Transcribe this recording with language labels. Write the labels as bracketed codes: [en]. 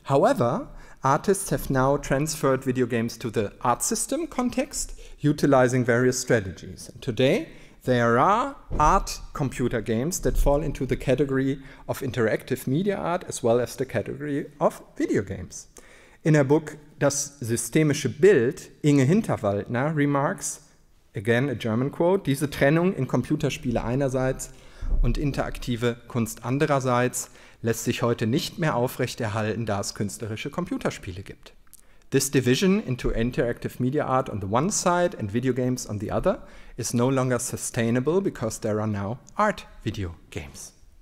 [en] However, artists have now transferred video games to the art system context, utilizing various strategies. And today, there are art computer games that fall into the category of interactive media art as well as the category of video games. In her book, Das systemische Bild, Inge Hinterwaldner remarks, again a German quote, [de] diese Trennung in Computerspiele einerseits und interaktive Kunst andererseits lässt sich heute nicht mehr aufrechterhalten, da es künstlerische Computerspiele gibt. [en] This division into interactive media art on the one side and video games on the other is no longer sustainable because there are now art video games.